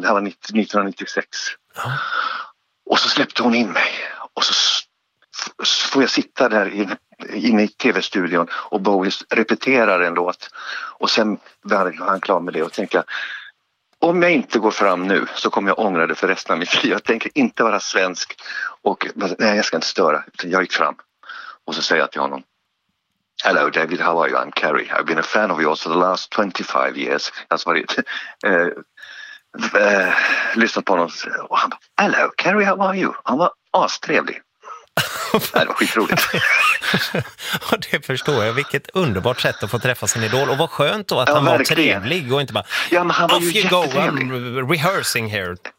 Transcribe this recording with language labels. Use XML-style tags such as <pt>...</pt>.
<sv>Det här var 1996. Ja. Och så släppte hon in mig och så får jag sitta där inne i tv-studion och Bowie repeterar en låt. Och sen var han klar med det och tänkte jag, om jag inte går fram nu så kommer jag ångra det för resten av mitt liv. Jag tänker inte vara svensk och nej, jag ska inte störa. Jag gick fram och så säger jag till honom,</sv> <en>hello David, how are you? I'm Kerry. I've been a fan of yours for the last 25 years.</en> <sv>Alltså varit lyssnat på honom. Och han bara,</sv> <en>hello, Carrie, how are you?</en> <sv>Han var astrevlig. Det var skitroligt. Ja, det förstår jag. Vilket underbart sätt att få träffa sin idol. Och vad skönt då att han var trevlig och inte bara, ja, men han var</sv> <en>off</en> <sv>ju</sv> <en>you go, I'm rehearsing here.</en>